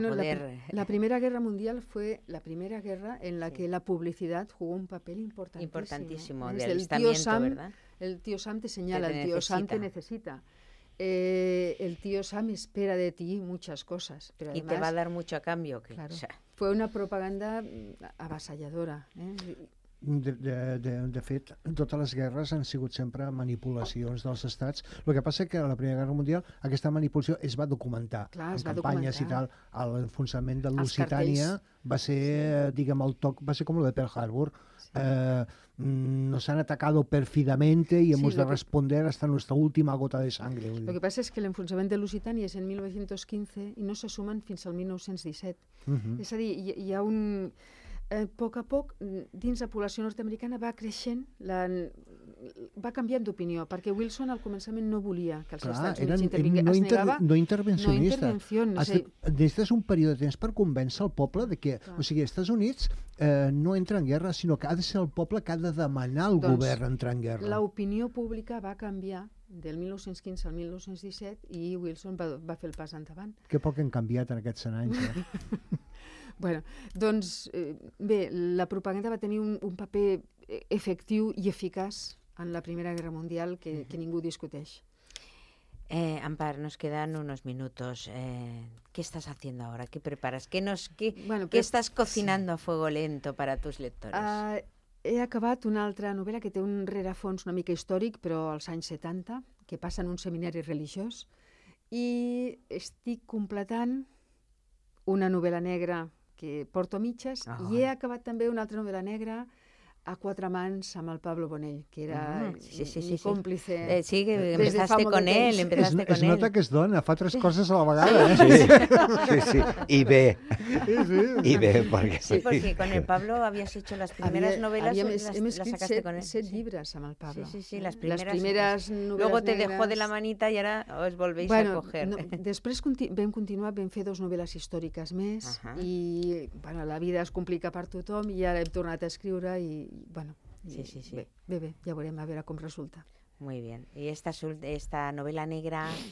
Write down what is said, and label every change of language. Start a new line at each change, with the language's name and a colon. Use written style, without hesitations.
Spanish: La Primera Guerra Mundial fue la primera guerra en la que la publicidad jugó un papel importantísimo de alistamiento, ¿verdad? El tío Sam te señala, el tío Sam te necesita. El tío Sam espera de ti muchas cosas. Pero y además, te va a dar mucho a cambio. Que, claro, o sea, fue una propaganda avasalladora.
Catalan: De fet, totes les guerres han sigut sempre manipulacions dels estats. El que passa és que a la Primera Guerra Mundial aquesta manipulació es va documentar. Clar, en campanyes i tal. L'enfonsament de Lusitània va ser, diguem, el toc, va ser com el de Pearl Harbor.
Spanish: Nos han atacado pérfidamente y hemos de responder hasta nuestra última gota de sangre. Lo que pasa es que el enfonsamiento de Lusitania es en 1915 y no se suman
Catalan: fins al 1917. Uh-huh. Es a dir, hi ha un poc a poc, dins la població nord-americana va creixent, va canviant d'opinió, perquè Wilson al començament no volia que els Estats Units intervinguessin. No intervencionista. No intervenció. Necessites un període de temps per convèncer el poble de que, clar, o sigui, els Estats Units no entra en guerra, sinó que ha de ser el poble que ha de demanar al govern entrar en guerra. L'opinió pública va canviar del 1915 al 1917 i Wilson va fer el pas endavant. Que poc han canviat en aquests 100 anys, eh? Bueno, doncs, bé, la propaganda va tenir un paper efectiu i eficaç en la Primera Guerra Mundial que ningú discuteix.
Spanish: Ampar, nos quedan unos minutos. ¿Qué estás haciendo ahora? ¿Qué preparas? ¿Qué estás cocinando a fuego lento para tus lectores?
Catalan: He acabat una altra novel·la que té un rerefons una mica històric, però als anys 70, que passa en un seminari religiós, i estic completant una novel·la negra que porto mitges, i he acabat també una altra novel·la negra a quatre mans amb el Pablo Bonell, que era mi còmplice.
Spanish: Sí, que empezaste con ell.
Catalan: Es nota que es dona, fa tres coses a la vegada. Eh? Sí, sí, sí. I bé. Sí, bé,
Spanish: perquè con el Pablo habías hecho las primeras novelas las sacaste con él.
Catalan: Set llibres amb el Pablo. Sí, sí, sí, les primeres novel·les.
Spanish: Luego te dejó de la manita y ara os volvéis bueno, a coger.
Catalan: No, després vam fer dos novel·les històriques més i bueno, la vida es complica per tothom i ara hem tornat a escriure i bueno, sí. Bé, ja veurem a veure com resulta.
Spanish: Muy bien.
Catalan: I esta novel·la negra